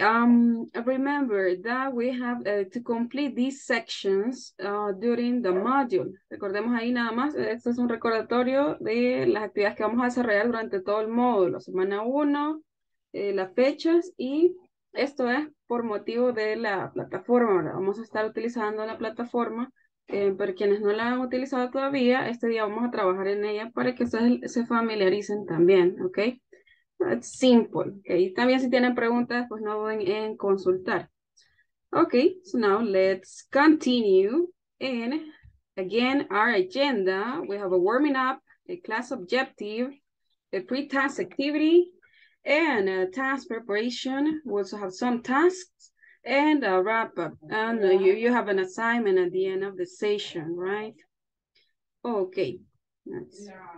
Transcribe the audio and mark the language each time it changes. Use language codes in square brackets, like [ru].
[en] Remember that we have to complete these sections during the module. [es] Recordemos ahí nada más. Esto es un recordatorio de las actividades que vamos a desarrollar durante todo el módulo. Semana 1, las fechas y esto es por motivo de la plataforma. Vamos a estar utilizando la plataforma. Para quienes no la han utilizado todavía, este día vamos a trabajar en ella para que ustedes se familiaricen también, ¿ok? [en] It's simple. Okay? [es] También si tienen preguntas, pues no duden en consultar. [en] Ok, so now let's continue. And again, our agenda, we have a warming up, a class objective, a pre-task activity, and task preparation. We also have some tasks and a wrap up. And you have an assignment at the end of the session, right? Okay. Let's...